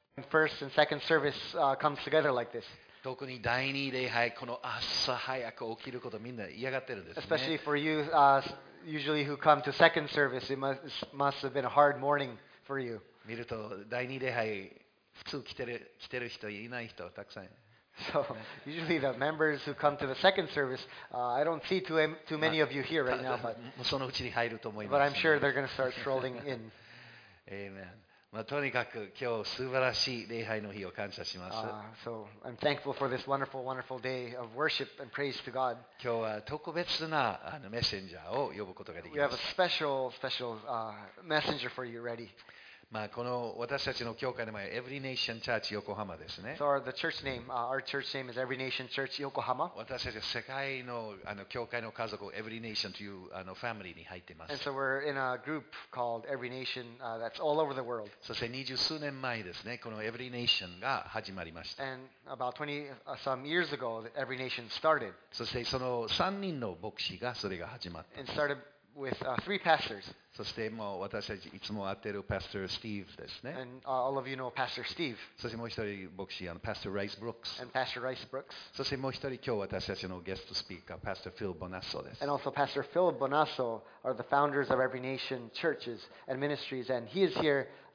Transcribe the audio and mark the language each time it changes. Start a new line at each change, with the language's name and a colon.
English: First and second service comes together like this.
Japanese: 特に第二礼拝、この朝早く起きることみんな嫌がってるんですね。
English: Especially for you, usually who come to second service, it must have been a hard morning for you.
Japanese: 見ると第二礼拝普通来てる人いない人たくさん。
English: So usually the members who come to the second service, I don't see too many of you here right now, but
Japanese: そのうちに入ると思います。
English: But I'm sure they're going to start strolling in. Amen.
Japanese: まあとにかく今日素晴らしい礼拝の日を感謝します。
English: So I'm thankful for this wonderful, wonderful day of worship and praise to God.
Japanese: 今日は特別なメッセンジャーを呼ぶことができます。
English: We have a special messenger for you ready.
Japanese: まあ、この私たちの教会の名前は Every Nation Church Yokohama ですね。
English: So the church name, our church name is Every Nation Church Yokohama.
Japanese: 私たちは世界の教会の家族 Every Nation というfamily に入っています。
English: And so we're in a group called Every Nation that's all over the world.
Japanese: そして二十数年前ですね、この Every Nation が始まりました。
English: And about 20 some years ago, Every Nation started.
Japanese: そしてその三人の牧師がそれが始まった。
English: And started with three pastors.
Japanese: そしてもう私たちいつも会っているパスタースティーブですね。
English: And all of you know Pastor Steve.
Japanese: そしてもう一人牧師パスタライス・ブロックス。
English: And Pastor Rice Brooks.
Japanese: そしてもう一人今日私たちのゲストスピーカーパスタフィル・ボナッソです。
English: And also Pastor Phil Bonasso are the founders of Every Nation churches and ministries, and he is here.